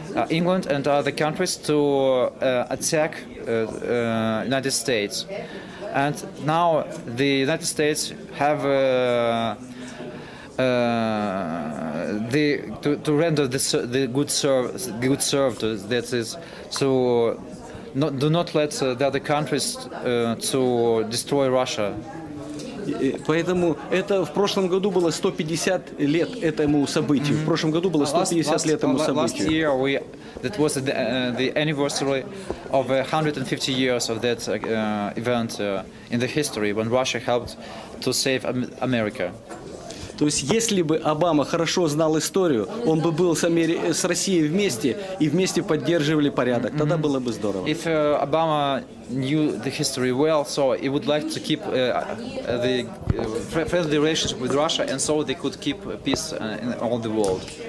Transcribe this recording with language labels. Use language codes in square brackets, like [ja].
[en] England and other countries to attack United States, and now the United States have to render the good serve to, that is to not do not let the other countries to destroy Russia. [ru] Поэтому это в прошлом году было 150 лет этому событию. В прошлом году было 150 лет этому событию. [en] Last year we that was the anniversary of 150 years of that event in the history when Russia helped to save America. [ru] То есть если бы Обама хорошо знал историю, он бы был с Россией вместе и вместе поддерживали порядок. Тогда было бы здорово. [en] If Obama knew the history well, so he would like to keep the friendly relations with Russia, and so they could keep peace in all the world.